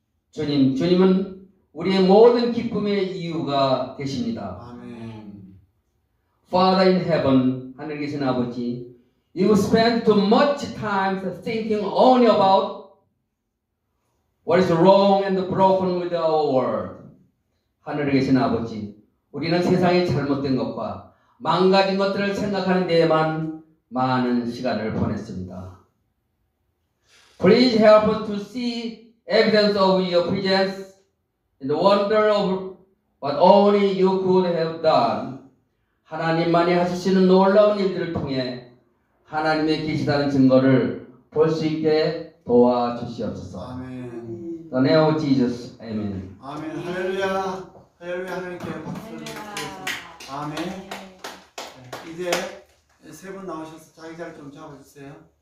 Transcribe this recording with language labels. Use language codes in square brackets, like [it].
[ko] 주님, 주님은 우리의 모든 기쁨의 이유가 되십니다. [en] Amen. Father in heaven, [ko] 하늘 계신 아버지, [en] you spend too much time thinking only about what is wrong and broken with our world. [ko] 하늘에 계신 아버지, 우리는 세상의 잘못된 것과 망가진 것들을 생각하는 데에만 많은 시간을 보냈습니다. [en] Please help us to see evidence of your presence and the wonder of what only you could have done. [ko] 하나님만이 하실 수 있는 놀라운 일들을 통해 하나님의 계시다는 증거를 볼 수 있게 도와주시옵소서. 아멘. [en] The name of Jesus. Amen. [ko] 아멘. 할렐루야. 할렐루야. 하나님께 박수를 드리겠습니다. 아멘. 이제 세 분 나오셔서 자기 자리 좀 잡아주세요.